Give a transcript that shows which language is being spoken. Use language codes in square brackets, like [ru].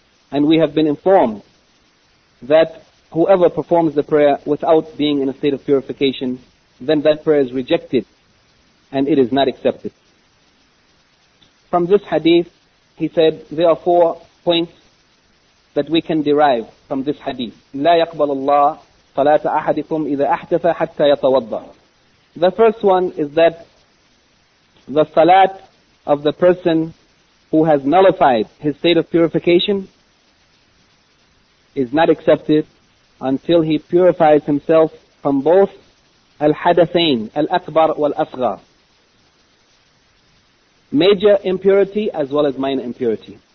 [en] And we have been informed that whoever performs the prayer without being in a state of purification, then that prayer is rejected and it is not accepted. From this hadith, he said there are four points that we can derive from this hadith. [ar] لا يقبل الله صلاة أحدكم إذا أحدث حتى يتوضأ. [en] The first one is that the salat of the person who has nullified his state of purification is not accepted until he purifies himself from both [ar] al-hadathain, al-akbar wal-asghar, [en] major impurity as well as minor impurity.